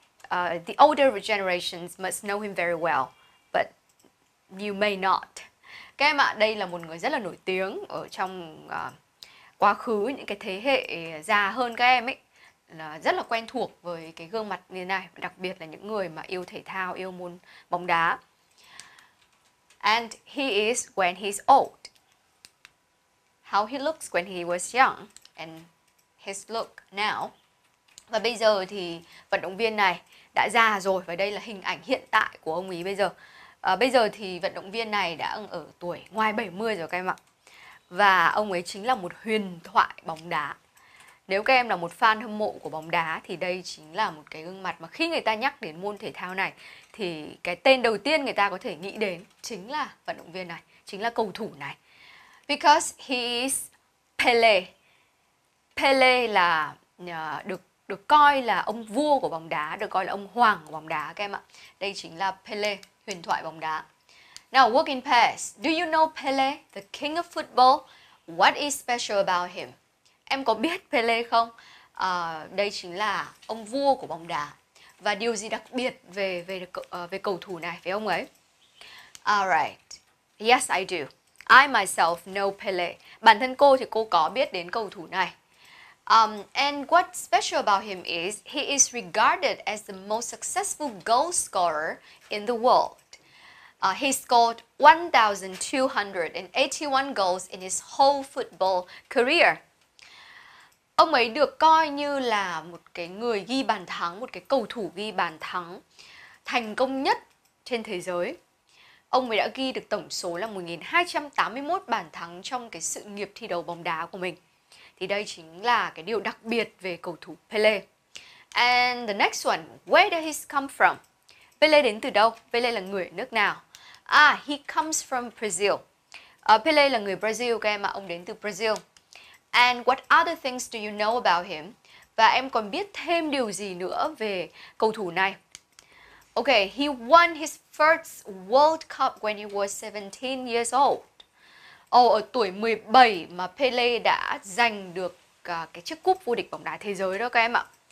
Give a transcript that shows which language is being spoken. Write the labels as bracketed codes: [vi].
[en] The older generations must know him very well, but you may not. [vi] Các em ạ, đây là một người rất là nổi tiếng ở trong quá khứ, những cái thế hệ già hơn các em ấy là rất là quen thuộc với cái gương mặt như này, đặc biệt là những người mà yêu thể thao, yêu môn bóng đá. [en] And he is when he's old. How he looks when he was young and his look now. [vi] Và bây giờ thì vận động viên này đã già rồi và đây là hình ảnh hiện tại của ông ý bây giờ. Bây giờ thì vận động viên này đã ở tuổi ngoài 70 rồi các em ạ. Và ông ấy chính là một huyền thoại bóng đá. Nếu các em là một fan hâm mộ của bóng đá thì đây chính là một cái gương mặt mà khi người ta nhắc đến môn thể thao này thì cái tên đầu tiên người ta có thể nghĩ đến chính là vận động viên này, chính là cầu thủ này. [en] Because he is Pele. [vi] Pele là được coi là ông vua của bóng đá, được coi là ông hoàng của bóng đá các em ạ. Đây chính là Pele, huyền thoại bóng đá. [en] Now, work in pairs. Do you know Pele, the king of football? What is special about him? [vi] Em có biết Pele không? Đây chính là ông vua của bóng đá. Và điều gì đặc biệt về cầu thủ này, với ông ấy? [en] Alright. Yes, I do. I myself know Pele. [vi] Bản thân cô thì cô có biết đến cầu thủ này. [en] And what's special about him is he is regarded as the most successful goal scorer in the world. He scored 1,281 goals in his whole football career. [vi] Ông ấy được coi như là một cái người ghi bàn thắng, một cái cầu thủ ghi bàn thắng thành công nhất trên thế giới. Ông ấy đã ghi được tổng số là 1,281 bàn thắng trong cái sự nghiệp thi đấu bóng đá của mình. Thì đây chính là cái điều đặc biệt về cầu thủ Pele. [en] And the next one, where did he come from? [vi] Pele đến từ đâu? Pele là người nước nào? [en] Ah, he comes from Brazil. [vi] Pele là người Brazil, các em ạ, ông đến từ Brazil. [en] And what other things do you know about him? [vi] Và em còn biết thêm điều gì nữa về cầu thủ này? [en] Okay, he won his first World Cup when he was 17 years old. [vi] Ở tuổi 17 mà Pele đã giành được cái chiếc cúp vô địch bóng đá thế giới đó các em ạ.